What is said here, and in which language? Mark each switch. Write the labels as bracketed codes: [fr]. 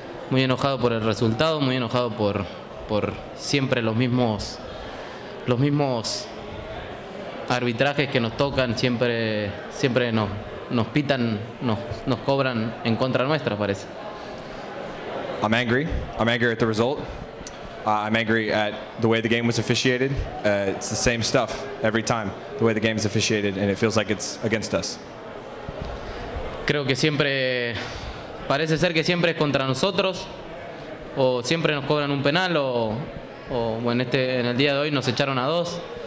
[es] Muy enojado por el resultado, muy enojado por siempre los mismos arbitrajes que nos tocan, siempre nos pitan, nos cobran en contra nuestra, parece. [en] I'm angry. I'm angry at the result. I'm angry at the way the game was officiated. It's the same stuff every time, the way the game is officiated, and it feels like it's against us. [es] Creo que siempre, parece ser que siempre es contra nosotros, o siempre nos cobran un penal, o bueno, en el día de hoy nos echaron a dos.